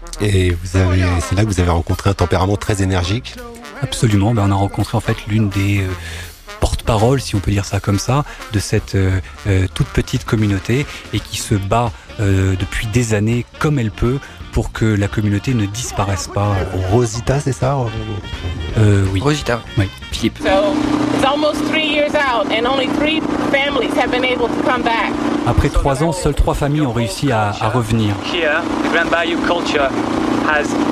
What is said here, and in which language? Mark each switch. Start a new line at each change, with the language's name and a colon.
French: Et vous avez, c'est là que vous avez rencontré un tempérament très énergique. Absolument, ben on a rencontré en fait l'une des porte-parole, si on peut dire ça comme ça, de cette toute petite communauté et qui se bat depuis des années comme elle peut pour que la communauté ne disparaisse pas. Rosita, c'est ça? Oui. Rosita. Oui. Philippe.
English: So, it's almost 3 years out and only 3 families have been able to come back.
French: Après 3 ans, seules 3 familles ont réussi à revenir.
English: Here, the Grand Bayou culture has...